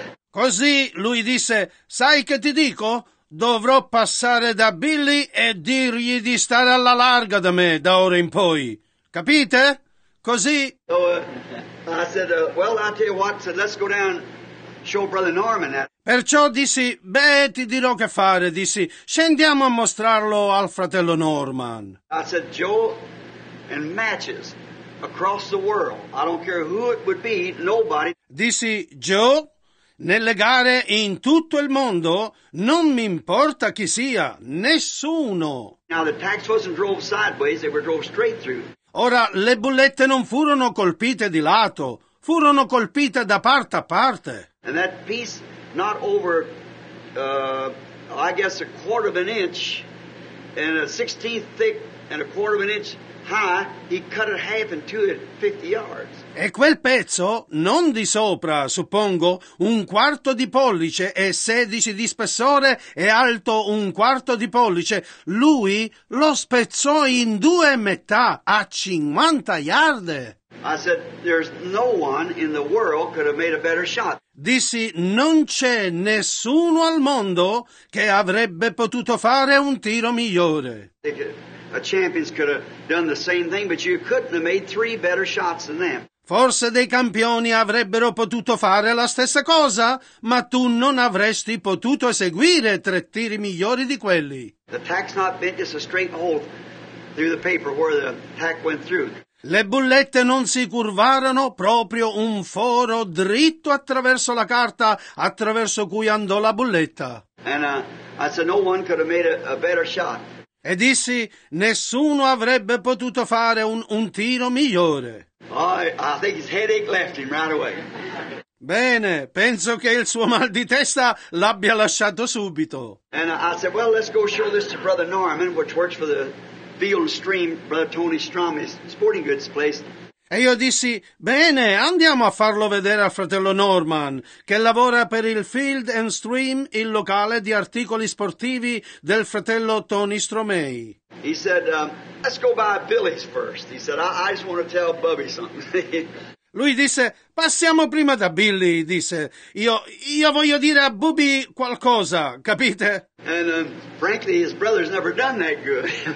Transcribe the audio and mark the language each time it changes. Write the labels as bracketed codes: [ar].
[it] Così lui disse, sai che ti dico? Dovrò passare da Billy e dirgli di stare alla larga da me da ora in poi. Capite? Così. [en] So I said, well, I'll tell you what, so let's go down. Show Brother Norman that. [it] Perciò dissi, beh, ti dirò che fare, dissi, scendiamo a mostrarlo al fratello Norman. [en] I said, Joe, in matches across the world, I don't care who it would be, nobody. [it] Dissi, Joe, nelle gare in tutto il mondo, non mi importa chi sia, nessuno. [en] Now the tacks wasn't drove sideways, they were drove straight through. [it] Ora, le bullette non furono colpite di lato, furono colpite da parte a parte. [en] And that piece, not over, I guess, a quarter of an inch, and a 16th thick, and a quarter of an inch high, he cut it half in two at 50 yards. [it] E quel pezzo, non di sopra, suppongo, un quarto di pollice e 16 di spessore e alto un quarto di pollice, lui lo spezzò in 2 metà a 50 yard. [en] I said, there's no one in the world could have made a better shot. [it] Dissi, non c'è nessuno al mondo che avrebbe potuto fare un tiro migliore. [en] A champions could have done the same thing, but you couldn't have made 3 better shots than them. [it] Forse dei campioni avrebbero potuto fare la stessa cosa, ma tu non avresti potuto eseguire 3 tiri migliori di quelli. [en] The tack's not bent just a straight hole through the paper where the tack went through. [it] Le bullette non si curvarono proprio un foro dritto attraverso la carta attraverso cui andò la bulletta. [en] And, I said, no one could have made a better shot. [it] E dissi, nessuno avrebbe potuto fare un tiro migliore. [en] Oh, I think his headache left him right away. [it] Bene, penso che il suo mal di testa l'abbia lasciato subito. [en] And I said, well, let's go show this to Brother Norman, which works for the Field and Stream, Brother Tony Strami's sporting goods place. [it] E io dissi, bene, andiamo a farlo vedere a fratello Norman, che lavora per il Field and Stream, il locale di articoli sportivi del fratello Tony Stromei. [en] He said, let's go by Billy's first. He said, I just want to tell Bubby something. [it] Lui disse, passiamo prima da Billy, disse, io voglio dire a Bubby qualcosa, capite? [en] And frankly, his brother's never done that good.